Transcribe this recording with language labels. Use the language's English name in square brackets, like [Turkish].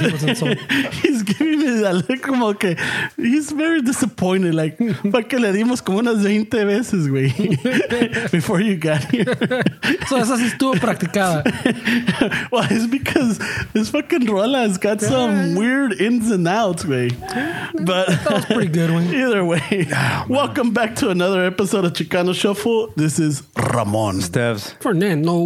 [English] He's giving me that look, [Spanish] como que [English] he's very disappointed. [Spanish] Like, ¿para qué le dimos como unas 20 veces, güey? [English] Before you got here. [Spanish] So, esa sí estuvo practicada. [English] Well, it's because this fucking rola has got some weird ins and outs, güey. But that was pretty good, güey. Either way, oh, welcome back to another episode of Chicano Shuffle. This is Ramon. Stevs. Fernando.